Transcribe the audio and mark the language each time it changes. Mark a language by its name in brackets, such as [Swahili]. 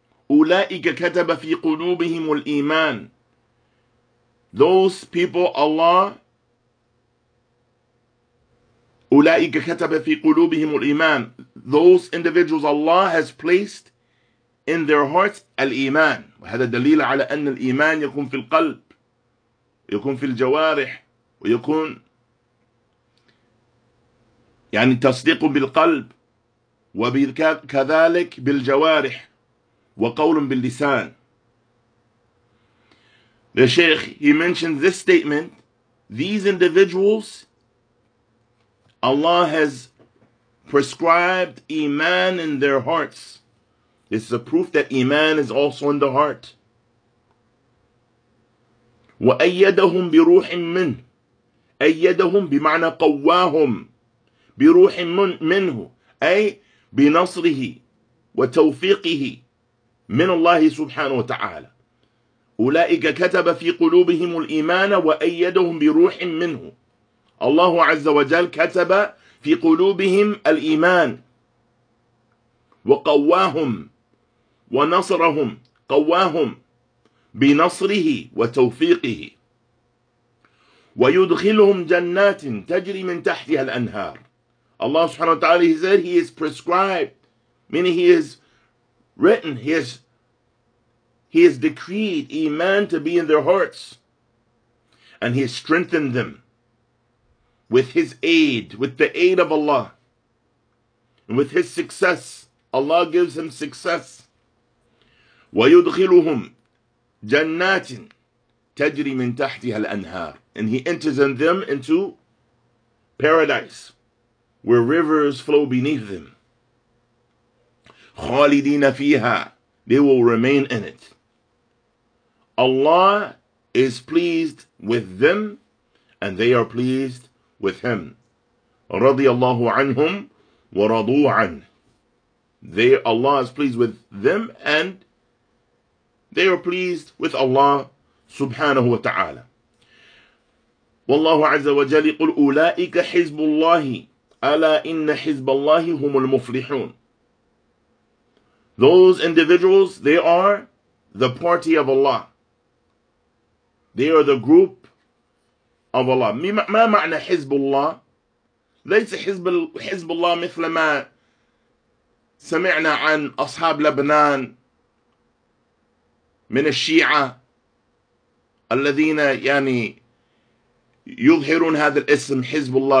[Arabic] أُولَٰئِكَ كَتَبَ فِي قُلُوبِهِمُ الْإِيمَانِ, [English] those people Allah, أُولَٰئِكَ كَتَبَ فِي قُلُوبِهِمُ الْإِيمَانِ, those individuals Allah has placed in their hearts الإيمان. [Arabic] وهذا دليل على أن الإيمان يكون في القلب, يكون في الجوارح, ويكون يعني تصديق بالقلب وكذلك بالجوارح وقول باللسان. [English] The Shaykh, he mentions this statement, these individuals Allah has prescribed Iman in their hearts. This is a proof that Iman is also in the heart. [Arabic] وَأَيَّدَهُمْ بِرُوحٍ مِّنْهُ, أَيَّدَهُمْ بِمَعْنَى قَوَّاهُمْ بِرُوحٍ مِّنْهُ, أي بنصره وتوفيقه من الله سبحانه وتعالى. أولئك كتب في قلوبهم الإيمان وأيدهم بروح منه. الله عز وجل كتب في قلوبهم الإيمان وقواهم ونصرهم, قواهم بنصره وتوفيقه. ويدخلهم جنات تجري من تحتها الأنهار. [English] Allah subhanahu wa ta'ala, he said, he is prescribed, meaning he is written, he is decreed Iman to be in their hearts. And he has strengthened them with his aid, with the aid of Allah, and with his success. Allah gives him success. [Arabic] وَيُدْخِلُهُمْ جَنَّاتٍ تَجْرِي مِنْ تَحْتِهَا الْأَنْهَارِ, [English] and he enters in them into paradise, where rivers flow beneath them. [Arabic] خَالِدِينَ فِيهَا, [English] they will remain in it. Allah is pleased with them, and they are pleased with him. [Arabic] رَضِيَ اللَّهُ عَنْهُمْ وَرَضُوا عَنْهُ, [English] they, Allah is pleased with them, and they are pleased with Allah subhanahu wa ta'ala. [Arabic] وَاللَّهُ عَزَّ وَجَلِ قُلْ أُولَٰئِكَ حِزْبُ اللَّهِ أَلَا إِنَّ حِزْبَ اللَّهِ هُمُ الْمُفْلِحُونَ, [English] those individuals, they are the party of Allah. They are the group of Allah. [Arabic] ما معنى حزب الله؟ ليس حزب الله مثل ما سمعنا عن أصحاب لبنان من الشيعة الذين يعني يظهرون هذا الاسم حزب الله.